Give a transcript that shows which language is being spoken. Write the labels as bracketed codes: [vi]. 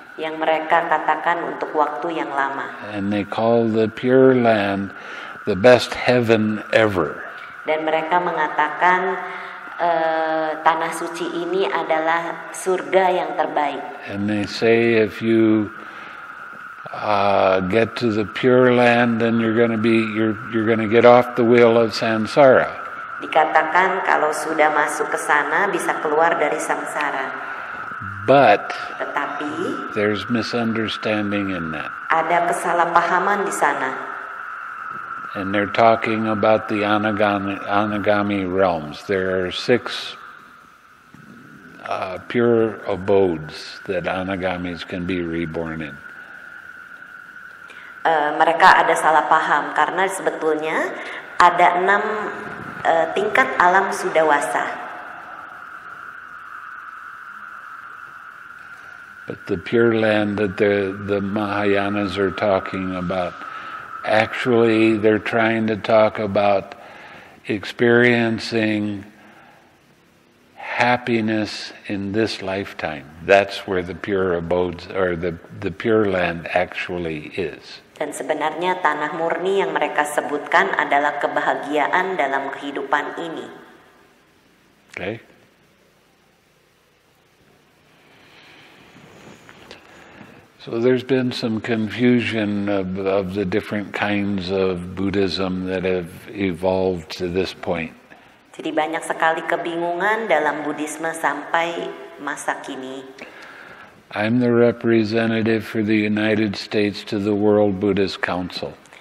[id] Yang mereka katakan untuk waktu yang lama. [en] And they call the pure land the best heaven ever. [id] Dan mereka mengatakan tanah suci ini adalah surga yang terbaik. [en] And they say if you get to the pure land, then you're going to get off the wheel of samsara. [id] Dikatakan kalau sudah masuk ke sana bisa keluar dari samsara. [en] But [id] tetapi [en] there's misunderstanding in that. [id] Ada kesalahpahaman di sana. [en] And they're talking about the anagami realms. There are 6 pure abodes that anagamis can be reborn in. [id] Mereka ada salah paham karena sebetulnya ada 6 tingkat alam sudawasa. [en] But the pure land that the Mahayanas are talking about, actually they're trying to talk about experiencing happiness in this lifetime. That's where the pure abodes or the pure land actually is. [id] Dan sebenarnya tanah murni yang mereka sebutkan adalah kebahagiaan dalam kehidupan ini. [en] Okay. So there's been some confusion of the different kinds of Buddhism that have evolved to this point. [id] Jadi banyak sekali kebingungan dalam Buddhisme sampai masa kini. [en] I'm the representative for the United States to the World Buddhist Council.